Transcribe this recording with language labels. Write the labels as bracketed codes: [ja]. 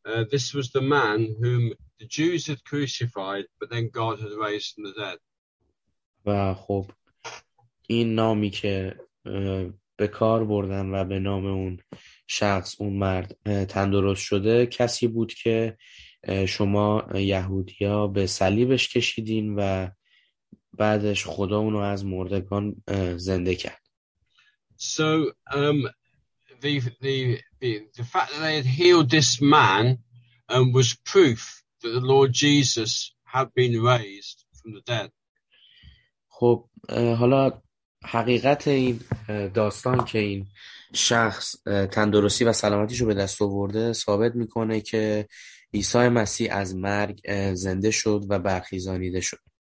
[en] This was the man whom the Jews had crucified but then God had raised from the dead. [fa] و خب این نامی که به کار بردن و به نام اون شخص اون مرد تندرست شده کسی بود که شما یهودیا به صلیبش کشیدین و بعدش خدا اونو از مردگان زنده کرد. [en] So the fact that they had healed this man was proof that the Lord Jesus had been raised from the dead. [fa] خب حالا حقیقت این داستان که این شخص تندرستی و سلامتیش رو به دست آورده ثابت میکنه که عیسی مسیح از مرگ زنده شد و برخیزانیده شد.